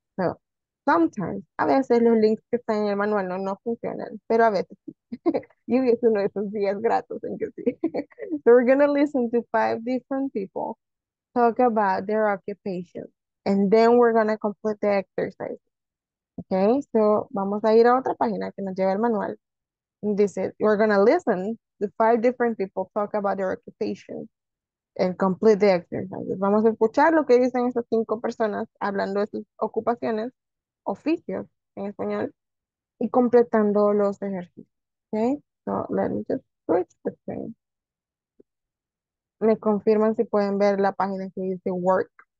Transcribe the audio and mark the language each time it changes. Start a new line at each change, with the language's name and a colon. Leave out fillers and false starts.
English: So, sometimes,
Spanish: a veces los links que están en el manual no funcionan, pero a veces sí. Y es uno de esos días gratos en que sí.
English: So we're going to listen to five different people talk about their occupation. And then we're going to complete the exercise.
Spanish: Okay, so vamos a ir a otra página que nos lleva el manual.
English: And this is, we're going to listen to five different people talk about their occupation and complete the exercise.
Spanish: Vamos a escuchar lo que dicen esas cinco personas hablando de sus ocupaciones, oficios en español, y completando los ejercicios.
English: Okay, so let me just switch the screen.
Spanish: Me confirman si pueden ver la página que dice work.